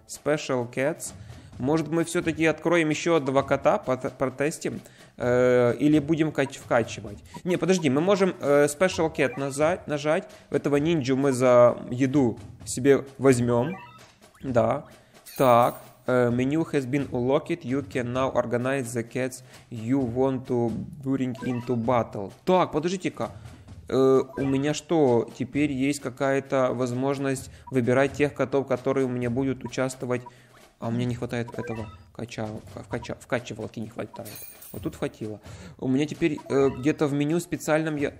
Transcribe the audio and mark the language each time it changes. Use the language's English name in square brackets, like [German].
[English] Special Cats. [Russian] Может, мы все-таки откроем еще одного кота, протестим, или будем вкачивать. Не, подожди, мы можем Special Cat нажать. Этого ниндзю мы за еду себе возьмем. [English] Да. Так. Меню has been unlocked. You can now organize the cats you want to bring into battle. [Russian] Так, подождите-ка. У меня что? Теперь есть какая-то возможность выбирать тех котов, которые у меня будут участвовать. А у меня не хватает этого. Вкачивалки не хватает. Вот тут хватило. У меня теперь где-то в меню специальном я...